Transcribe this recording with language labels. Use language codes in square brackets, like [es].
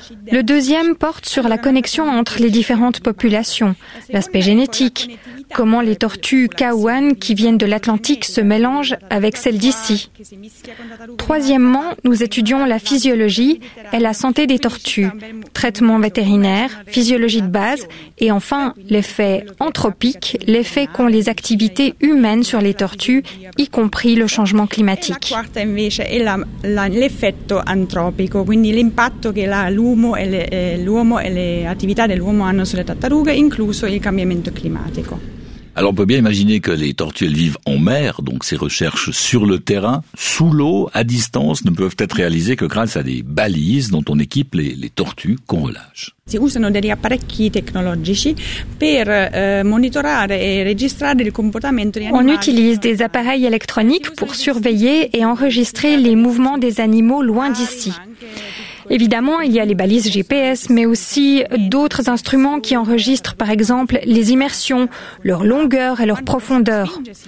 [fr] Le deuxième porte sur la connexion entre les différentes populations, l'aspect génétique, comment les tortues Kawan qui viennent de l'Atlantique se mélangent avec celles d'ici. Troisièmement, nous étudions la physiologie et la santé des tortues, traitement vétérinaire, physiologie de base, et enfin l'effet anthropique, l'effet qu'ont les activités humaines sur les tortues, y compris le changement climatique. [it] La quarta invece è l'effetto antropico, quindi l'impatto che l'uomo e le attività dell'uomo hanno sulle tartarughe, incluso il cambiamento climatico. [fr] Alors on peut bien imaginer que les tortues, elles vivent en mer, donc ces recherches sur le terrain, sous l'eau, à distance, ne peuvent être réalisées que grâce à des balises dont on équipe les tortues qu'on relâche. [it] Si usano degli apparecchi tecnologici per monitorare e registrare il comportamento degli animali. [fr] On utilise des appareils électroniques pour surveiller et enregistrer les mouvements des animaux loin d'ici. Évidemment, il y a les balises GPS, mais aussi d'autres instruments qui enregistrent, par exemple, les immersions, leur longueur et leur profondeur.